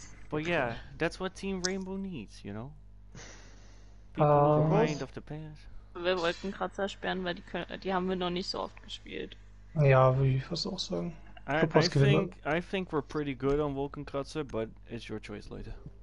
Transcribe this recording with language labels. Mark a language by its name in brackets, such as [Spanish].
[English] But yeah, that's what Team Rainbow needs, you know? People with a mind of the past. [German] Wir wollten Kratzer sperren, weil die haben wir noch nicht so oft gespielt. Ja, würde ich fast auch sagen. [English] I think we're pretty good on Wolkenkratzer, but it's your choice, Leute.